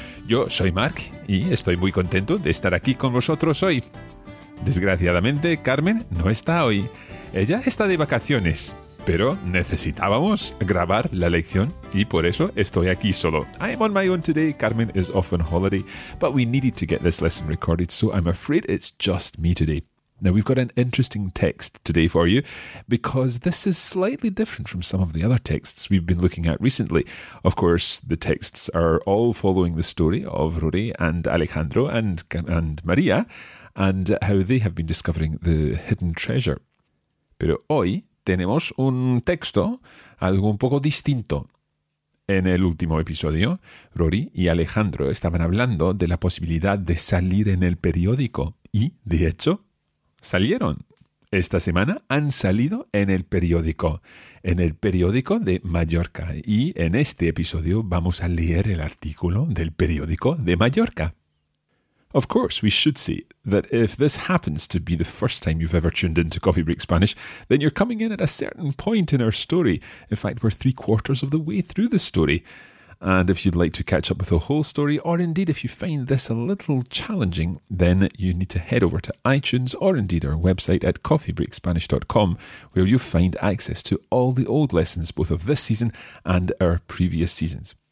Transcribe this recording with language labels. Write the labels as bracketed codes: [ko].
[es] Yo soy Mark y estoy muy contento de estar aquí con vosotros hoy. Desgraciadamente, Carmen no está hoy. Ella está de vacaciones, pero necesitábamos grabar la lección y por eso estoy aquí solo. [en] I am on my own today. Carmen is off on holiday, but we needed to get this lesson recorded, so I'm afraid it's just me today. Now, we've got an interesting text today for you because this is slightly different from some of the other texts we've been looking at recently. Of course, the texts are all following the story of Rory and Alejandro and Maria and how they have been discovering the hidden treasure. [es] Pero hoy tenemos un texto algo un poco distinto. En el último episodio, Rory y Alejandro estaban hablando de la posibilidad de salir en el periódico y, de hecho, salieron. Esta semana han salido en el periódico de Mallorca. Y en este episodio vamos a leer el artículo del periódico de Mallorca. [en] Of course, we should say that if this happens to be the first time you've ever tuned into Coffee Break Spanish, then you're coming in at a certain point in our story. In fact, we're 3/4 of the way through the story. And if you'd like to catch up with the whole story, or indeed if you find this a little challenging, then you need to head over to iTunes or indeed our website at coffeebreakspanish.com, where you'll find access to all the old lessons, both of this season and our previous seasons.